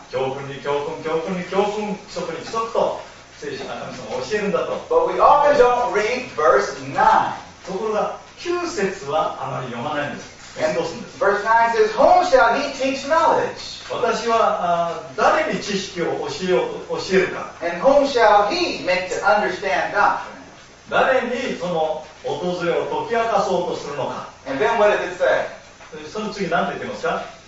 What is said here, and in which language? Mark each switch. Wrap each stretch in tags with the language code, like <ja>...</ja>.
<ja>教訓に教訓、教訓に教訓、規則に規則と聖書の神様を教えるんだと。</ja> <en>But we often don't read verse 9.</en> <ja>ところが9節はあまり読まないんです。</ja> <en>And verse 9 says, Whom shall he teach knowledge?</en> <ja>私は誰に知識を教えようと教えるか。</ja> <en>And whom shall he make to understand God?</en> <ja>誰にその訪れを解き明かそうとするのか。</ja> <en>And then what did it say?</en> <ja>その次何て言ってますか?</ja>